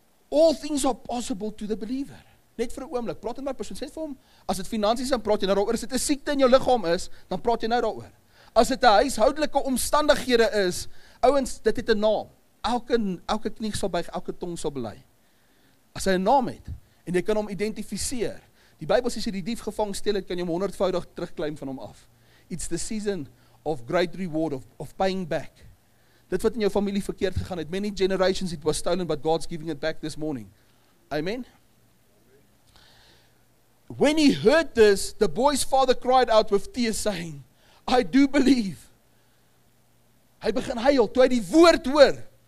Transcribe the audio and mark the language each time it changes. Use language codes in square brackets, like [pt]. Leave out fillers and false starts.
[en] All things are possible to the believer. [af] Net vir 'n oomblik, praat met my persoon, sê vir hom, as dit finansies is, praat jy nou daaroor, as dit 'n siekte in jou liggaam is, dan praat jy nou daaroor. As dit 'n huishoudelike omstandighede is, ouens, dit het 'n naam. Elke knie sal buig, elke tong sal bely. As hy 'n naam het, en jy kan hom identifiseer, die Bybel sê, as jy die dief gevang steel het, kan jy hom 100-voudig terugklaim van hom af. [en] It's the season of great reward, of paying back. [af] Dit wat in jou familie verkeerd gegaan het, [en] many generations it was stolen, but God's giving it back this morning. Amen? When he heard this, the boy's father cried out with tears saying, I do believe. [af] Hy begin huil, toe hy die woord hoor.